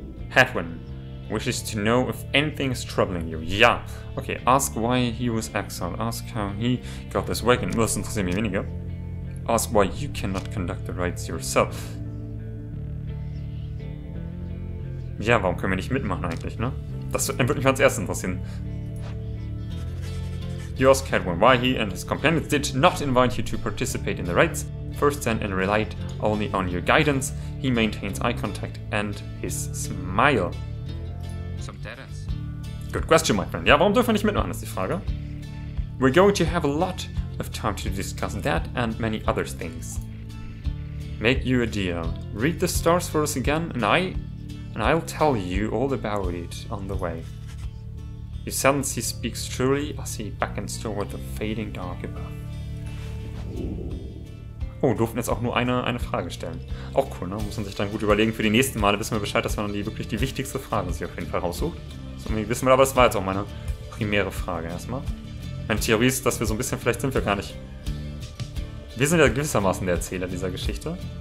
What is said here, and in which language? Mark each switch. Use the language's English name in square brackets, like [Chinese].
[English] Hatwin wishes to know if anything is troubling you. Ja. Okay, ask why he was exiled. Ask how he got this wagon. [German] Das interessiert mich weniger. [English] Ask why you cannot conduct the rites yourself. [German] Ja, warum können wir nicht mitmachen eigentlich, ne? Das würde mich als erstes interessieren. [English] You ask Hatwin why he and his companions did not invite you to participate in the rites. First then, and relied only on your guidance, he maintains eye contact and his smile. Some terrors. Good question, my friend. [German] Ja, warum dürfen wir nicht mitmachen, ist die Frage. [English] We're going to have a lot of time to discuss that and many other things. Make you a deal. Read the stars for us again and I'll tell you all about it on the way. You sense he speaks truly as he beckons toward the fading dark above. [German] Oh, durften jetzt auch nur eine Frage stellen. Auch cool, ne? Muss man sich dann gut überlegen für die nächsten Male. Wissen wir Bescheid, dass man dann wirklich die wichtigste Frage sich auf jeden Fall raussucht. So, wissen wir, aber das war jetzt auch meine primäre Frage erstmal. Meine Theorie ist, dass wir so ein bisschen, vielleicht sind wir gar nicht. Wir sind ja gewissermaßen der Erzähler dieser Geschichte.